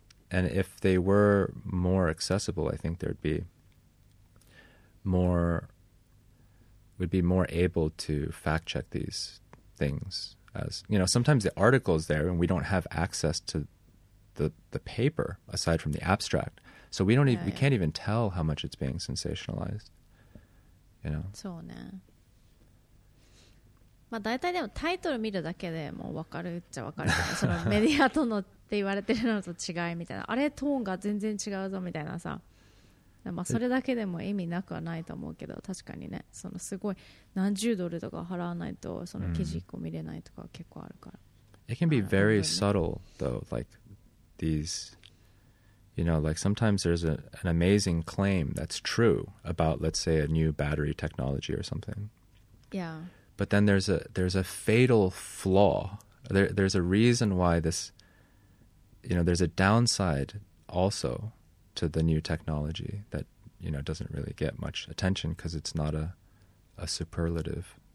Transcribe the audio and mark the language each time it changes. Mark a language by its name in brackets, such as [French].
[English] And if they were more accessible, I think there'd be more, we'd be more able to fact check these things as, you know, sometimes the article's there and we don't have access to the paper aside from the abstract. So we don't we can't even tell how much it's being sensationalized, you know. [Japanese] そうね。まあ、大体でもタイトル見るだけでもう分かるっちゃ分かるそのメディアとのって言われてるのと違いみたいなあれトーンが全然違うぞみたいなさ、まあ、それだけでも意味なくはないと思うけど確かにねそのすごい何十ドルとか払わないとその記事一個見れないとか結構あるから、 mm. [English] It can be very subtle though like these you know like sometimes there's an amazing claim that's true about let's say a new battery technology or something yeah But then there's a fatal flaw. There's a reason why this, you know, there's a downside also to the new technology that, you know, doesn't really get much attention because it's not a superlative.